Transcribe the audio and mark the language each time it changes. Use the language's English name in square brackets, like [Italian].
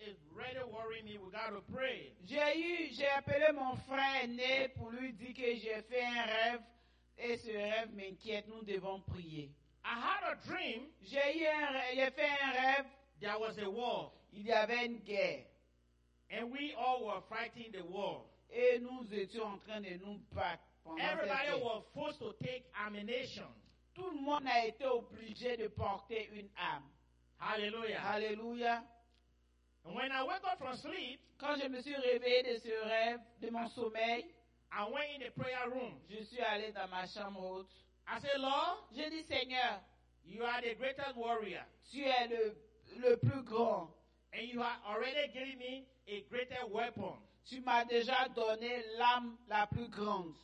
[English] It's really worrying me. We got to pray. [French] J'ai appelé mon frère aîné pour lui dire que j'ai fait un rêve et ce rêve m'inquiète. Nous devons prier. [English] I had a dream. [French] J'ai fait un rêve. [English] There was a war. [French] Il y avait une guerre. [English] And we all were fighting the war. [French] Et nous étions en train de nous battre pendant cette guerre. [English] Everybody was forced to take ammunition. [French] Tout le monde a été obligé de porter une arme. Hallelujah. Hallelujah. [English] And when I woke up from sleep, [French] quand je me suis réveillé de ce rêve, de mon sommeil, [English] I went in the prayer room. [French] Je suis allé dans ma chambre haute. [English] I said, Lord, [French] je dis, Seigneur, [English] you are the greatest warrior. [French] Tu es le plus grand. [English] And you have already given me a greater weapon. [French] Tu m'as déjà donné l'arme la plus grande.